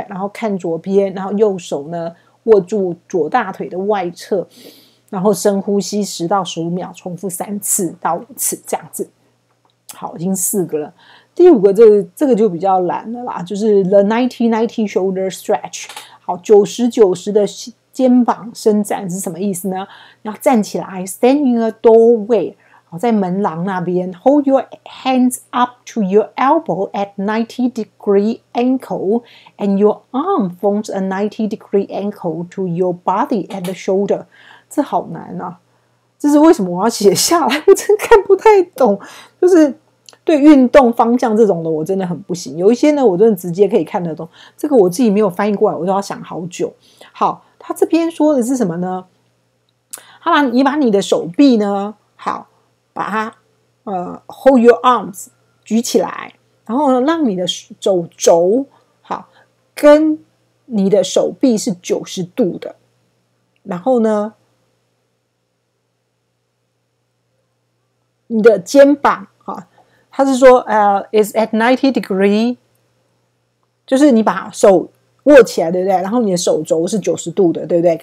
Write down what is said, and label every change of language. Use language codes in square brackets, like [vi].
[zh] 然后看左边，然后右手呢握住左大腿的外侧，然后深呼吸10到15秒，重复3次到5次这样子。好，已经四个了。第五个，这个就比较难了啦，就是 [en] the 90-90 shoulder stretch. [zh] 好，90-90的肩膀伸展是什么意思呢？要站起来 [en] ，stand in a doorway. [zh] 在门廊那边 [en] ，hold your hands up to your elbow at 90 degree angle, and your arm forms a 90 degree angle to your body at the shoulder. [zh] 这好难啊！这是为什么我要写下来？我真看不太懂。就是对运动方向这种的，我真的很不行。有一些呢，我真的直接可以看得懂。这个我自己没有翻译过来，我都要想好久。好，他这边说的是什么呢？好，你把你的手臂呢，好。把它 [en] hold your arms [zh] 举起来，然后让你的手肘好跟你的手臂是90度的，然后呢你的肩膀它是说 [en] is at 90 degree, [zh] 就是你把手握起来，对不对？然后你的手肘是90度的，对不对？